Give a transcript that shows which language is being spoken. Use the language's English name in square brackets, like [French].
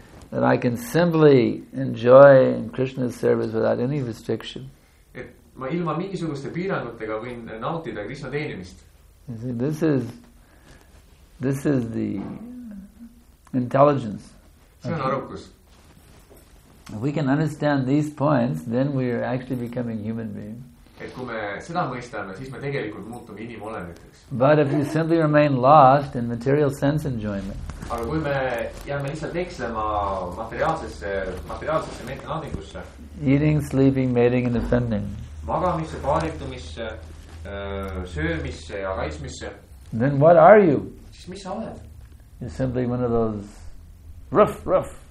[English] That I can simply enjoy in Krishna's service without any restriction. [Estonian] Et ma ilma mingisuguste piirangutega võin nautida Krishna teenimist. [English] You see, this is the intelligence. [Estonian] See on arukus. [English] If we can understand these points, then we are actually becoming human beings. [Estonian] Et kui me seda mõistame, siis me tegelikult muutume inimolemiteks. [English] But if you simply remain lost in material sense enjoyment. [Estonian] Aga kui me jääme lihtsalt eksema materiaalsesse meeldenaudingusse. [English] Eating, sleeping, mating and offending. [Estonian] Magamisse, paaritumisse, söömisse ja kaitsmisse. [English] Then what are you? [Estonian] Siis mis sa oled? [English] You're simply one of those ruff, ruff.